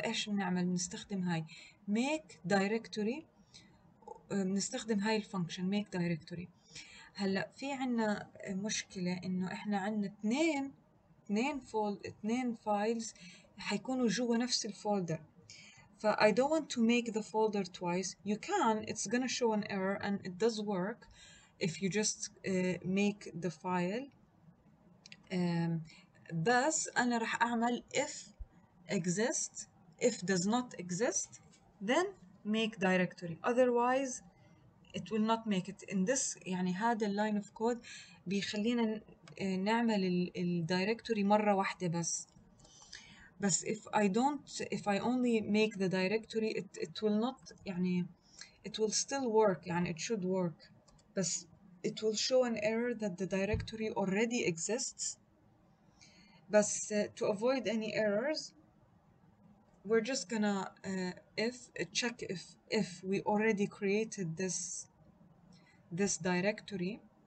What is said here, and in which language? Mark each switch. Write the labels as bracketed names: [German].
[Arabic] فإيش بنعمل؟ بنستخدم هاي make directory، بنستخدم هاي الفانكشن make directory. هلأ في عنا مشكلة إنه إحنا عنا اثنين فايلز حيكونوا جوا نفس الفولدر. [English] ف I don't want to make the folder twice. You can, it's gonna show an error and it does work if you just make the file. بس أنا رح أعمل if exist, if does not exist, then make directory. Otherwise, it will not make it. [Arabic] In this, يعني هذا line of code بيخلينا نعمل ال directory مرة واحدة بس. [English] بس if I don't, if I only make the directory, it will not, يعني it will still work, يعني it should work. بس it will show an error that the directory already exists. بس to avoid any errors, we're just gonna check if we already created this directory.